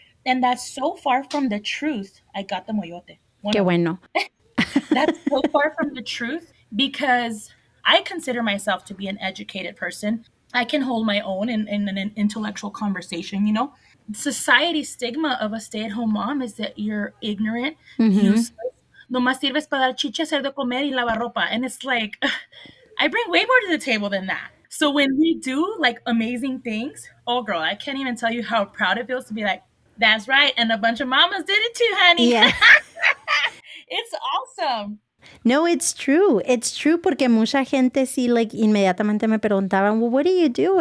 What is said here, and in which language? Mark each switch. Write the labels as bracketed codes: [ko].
[en] And that's so far from the truth. I got the moyote. [es] Qué bueno. [en] That's so far from the truth because I consider myself to be an educated person. I can hold my own in an intellectual conversation, you know? Society's stigma of a stay-at-home mom is that you're ignorant, mm-hmm. useless. [es] No más sirves para dar chicha, hacer de comer y lavar ropa. [en] And it's like, I bring way more to the table than that. So when we do like amazing things, oh girl, I can't even tell you how proud it feels to be like, that's right. And a bunch of mamas did it too, honey. Yeah. It's awesome. No, it's true. It's true [es] porque mucha gente sí, [en] like, [es] inmediatamente me preguntaban, [en] well, what do you do?